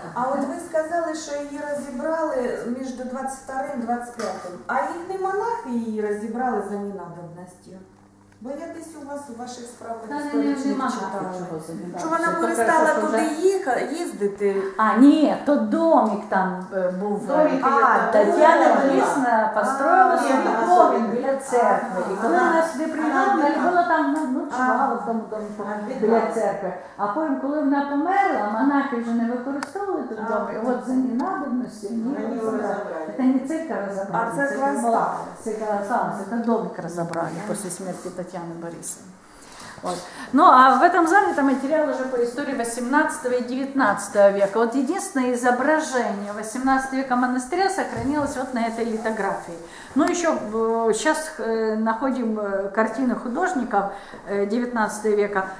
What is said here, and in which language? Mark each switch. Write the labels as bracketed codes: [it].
[uk] А от ви сказали, що її розібрали між 22-м і 25-м. А їхні монахи її розібрали за ненадобністю. Бо я десь у вас у ваших справах історичних читала. Що вона перестала туди їздити? А, ні, то домик там був. Тетяна Борисовна построїла собі домик біля церкви. І коли вона сюди приїхала, було там чимало в тому домику біля церкви. А потім, коли вона померла, монахи вже не використовували той домик. От за ненадобності вони її розібрали. Це не церква розібрала. А церква розібрала. Це домик розібрали після смерті Тетяни Борисовны. [ru] Вот. Ну а в этом зале там материал уже по истории 18 и 19 века. Вот единственное изображение 18 века монастыря сохранилось вот на этой литографии. Ну еще сейчас находим картины художников 19 века.